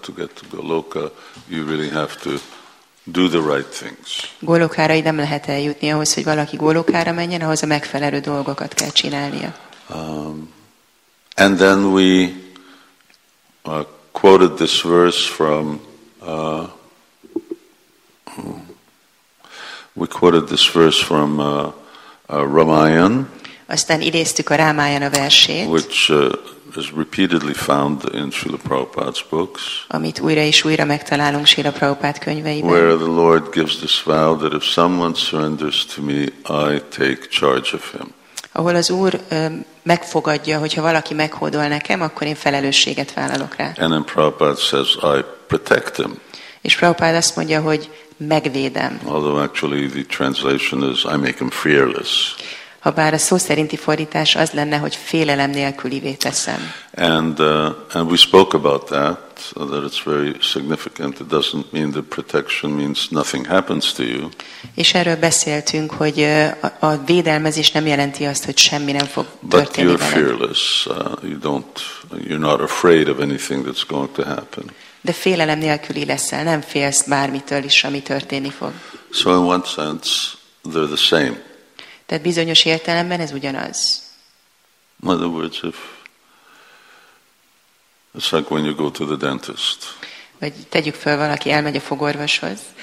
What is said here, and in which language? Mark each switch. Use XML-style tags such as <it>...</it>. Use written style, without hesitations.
<en>To get to Goloka, you really have to do the right things.</en> <hu>Golokára így nem lehet eljutni. Ahhoz, hogy valaki Golokára menjen, ahhoz a megfelelő dolgokat kell csinálnia.</hu> <en>And then we quoted this verse from Ramayana.</en> <hu>Aztán idéztük a Rámájana versét,</hu> <en>which is repeatedly found in Srila Prabhupada's books.</en> <hu>Amit újra és újra megtalálunk Srila Prabhupada könyveiben.</hu> <en>Where the Lord gives this vow that if someone surrenders to me, I take charge of him.</en> <hu>Ahol az Úr megfogadja, hogyha valaki meghódol nekem, akkor én felelősséget vállalok rá.</hu> <en>And then Prabhupada says, I protect him.</en> <hu>És Prabhupada azt mondja, hogy megvédem.</hu> <en>Although actually the translation is I make him fearless.</en> <hu>Habár a szó szerinti fordítás az lenne, hogy félelem nélkülivé teszem.</hu> <en>And we spoke about that, so that it's very significant. It doesn't mean that protection means nothing happens to you.</en> <hu>És erről beszéltünk, hogy a védelmezés nem jelenti azt, hogy semmi nem fog történni veled.</hu> <en>But you're fearless. You're not afraid of anything that's going to happen.</en> <hu>De félelem nélküli leszel, nem félsz bármitől is, ami történni fog.</hu> <en>So in one sense, they're the same.</en> <hu>Tehát bizonyos értelemben ez ugyanaz.</hu> <en>In other words, it's like when you go to the dentist.</en> <hu>Vagy tegyük fel, valaki elmegy a fogorvoshoz.</hu>